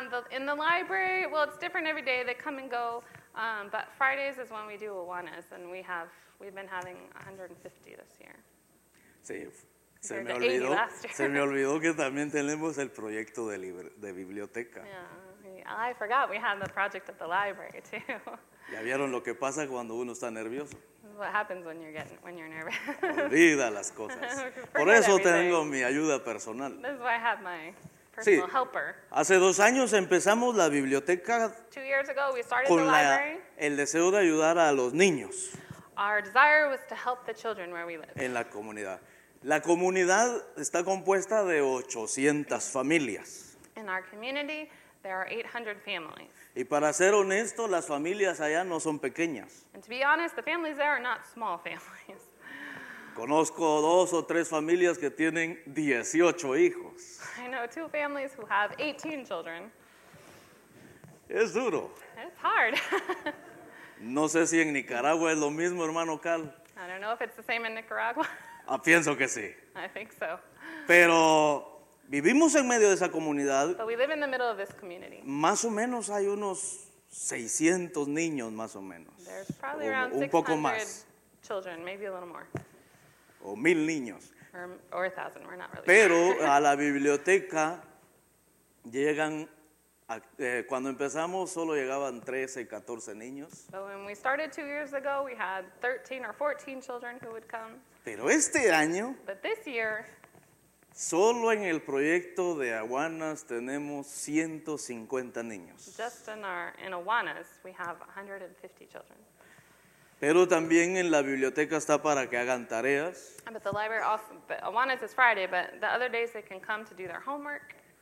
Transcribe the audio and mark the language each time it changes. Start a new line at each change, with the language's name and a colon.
English: in the library, well, it's different every day. They come and go. But Fridays is when we do Awanas, and we've been having 150 this year.
Spanish: Sí, se me olvidó que también tenemos el proyecto de biblioteca.
English: Yeah, I forgot we had the project at the library, too.
Spanish: ¿Ya vieron lo que pasa cuando uno está nervioso?
English: What happens when you're nervous.
Spanish: Olvida las cosas. Por eso tengo mi ayuda personal.
English: This is why I have my personal helper.
Spanish: Hace 2 años empezamos la biblioteca.
English: 2 years ago we started
Spanish: con
English: the library.
Spanish: El deseo de ayudar a los niños.
English: Our desire was to help the children where we live.
Spanish: En la comunidad. La comunidad está compuesta de 800 familias.
English: In our community, There are 800 families.
Spanish: Y para ser honesto, las familias allá no son pequeñas.
English: And to be honest, the families there are not small families.
Spanish: Conozco dos o tres familias que tienen 18 hijos.
English: I know two families who have 18 children.
Spanish: Es duro.
English: It's hard.
Spanish: No sé si en Nicaragua es lo mismo, hermano Cal.
English: I don't know if it's the same in Nicaragua.
Spanish: Ah, pienso que sí.
English: I think so.
Spanish: Pero vivimos en medio de esa comunidad.
English: But we live in the middle of this community.
Spanish: Más o menos hay unos 600 niños, más o menos.
English: There's probably around 600 children, maybe a little more.
Spanish: O 1,000 niños.
English: Or 1,000, we're not really sure.
Spanish: Pero a la biblioteca llegan, cuando empezamos solo llegaban 13, 14 niños.
English: But when we started 2 years ago, we had 13 or 14 children who would come.
Spanish: Pero este año,
English: but this year,
Spanish: solo en el proyecto de Awanas tenemos 150 niños.
English: Just in Awanas, we have 150 children.
Spanish: Pero también en la biblioteca está para que hagan tareas.
English: But the library also, but Awanas is Friday, but the other days they can come to do their homework.